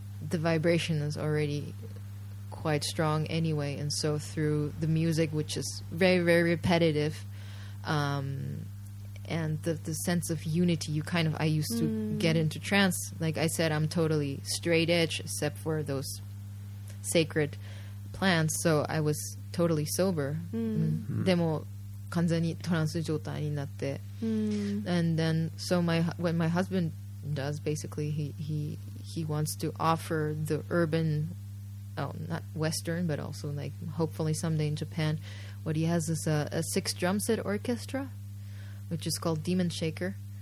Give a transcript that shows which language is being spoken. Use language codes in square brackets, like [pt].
[en] The vibration is already quite strong anyway, and so through the music, which is very very repetitive, and the sense of unity, you kind of I used to get into trance. Like I said, I'm totally straight edge except for those sacred plants. So I was. Totally sober. [ja] でも完全にトランス状態になって。 [en] And then, so when my husband does, basically, he wants to offer the urban, oh, not Western, but also like hopefully someday in Japan, what he has is a six drum set orchestra, which is called Demon Shaker.